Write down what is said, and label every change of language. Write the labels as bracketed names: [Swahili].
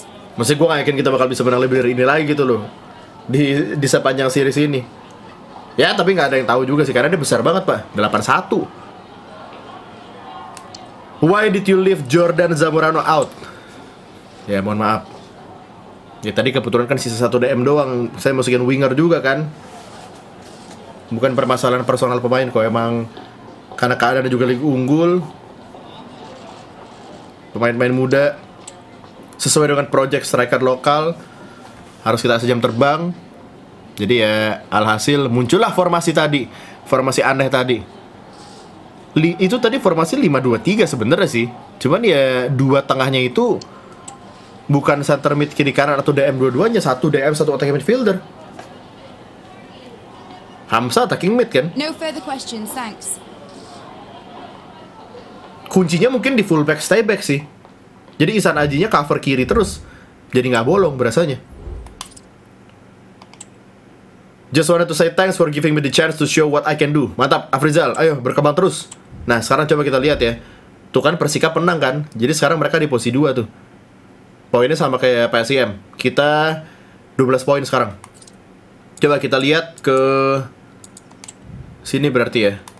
[Indonesian] Maksudnya gue gak yakin kita bakal bisa menang lebih dari ini lagi gitu loh. Di sepanjang series ini. Ya, tapi gak ada yang tahu juga sih, karena dia besar banget, Pak. 8-1. [English] Why did you leave Jordan Zamorano out? [Indonesian] Ya, mohon maaf. Ya, tadi kebetulan kan sisa satu DM doang. Saya masukin winger juga, kan? Bukan permasalahan personal pemain kok. Emang karena keadaan juga lagi unggul. Pemain-pemain muda. Sesuai dengan project striker lokal. Harus kita sejam terbang. Jadi ya, alhasil muncullah formasi tadi. Formasi aneh tadi. Itu tadi formasi 5-2-3 sebenarnya sih. Cuman ya, dua tengahnya itu bukan center mid kiri kanan atau DM dua-duanya, satu DM satu attacking midfielder. Hamza attacking mid kan? [English] No further questions, thanks. [Indonesian] Kuncinya mungkin di fullback stay back sih. Jadi Isan Ajinya cover kiri terus. Jadi enggak bolong berasanya. [English] Just wanted to say thanks for giving me the chance to show what I can do. [Indonesian] Mantap, Afrizal, ayo berkembang terus. Nah, sekarang coba kita lihat ya. Tuh kan Persika menang kan? Jadi sekarang mereka di posisi 2 tuh. Poinnya sama kayak PSIM. Kita 12 poin sekarang. Coba kita lihat ke sini berarti ya.